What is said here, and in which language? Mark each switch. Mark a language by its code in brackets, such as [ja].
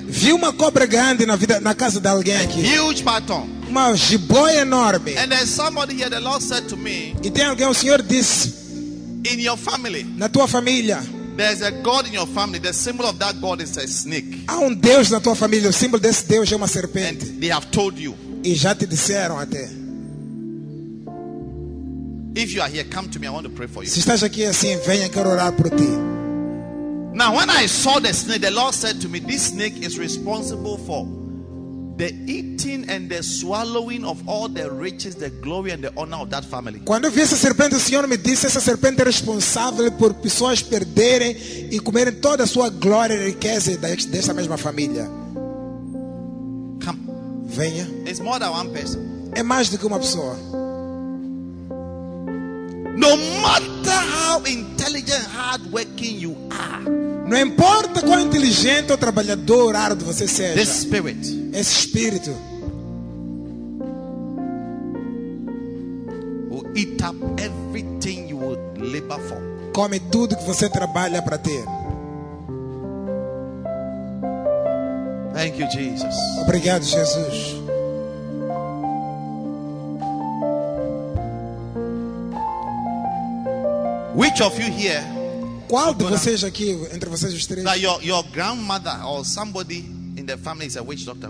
[pt] Vi uma cobra grande na vida, na casa de alguém aqui. [en] A huge python. [pt] Uma jiboia enorme. [en] And there's somebody here, the Lord said to me. [pt] E tem alguém, o Senhor disse. [en] In your family. [pt] Na tua família. [en] There's a God in your family. The symbol of that God is a snake. [pt] Há Deus na tua família. O símbolo desse Deus é uma serpente. [en] And they have told you. [pt] E já te disseram até. [en] If you are here, come to me. I want to pray for you. [pt] Se estás aqui assim, venha, quero orar por ti. [en] Now, when I saw the snake, the Lord said to me, this snake is responsible for the eating and the swallowing of all the riches, the glory and the honor of that family. [pt] Quando eu vi essa serpente, o Senhor me disse, essa serpente é responsável por pessoas perderem e comerem toda a sua glória e riqueza dessa mesma família. [en] Come. [pt] Venha. [en] It's more than one person. [pt] É mais do que uma pessoa. [en] No matter how intelligent, hardworking you are, [pt] não importa quão inteligente ou trabalhador ou árduo você seja, [en] this spirit, [pt] esse espírito, [en] will eat up everything you will labor for. [pt] Come tudo que você trabalha para ter. [en] Thank you, Jesus. [pt] Obrigado, Jesus. [en] Which of you here? [pt] Qual de vocês aqui entre vocês os três? [en] That your grandmother or somebody in the family is a witch doctor.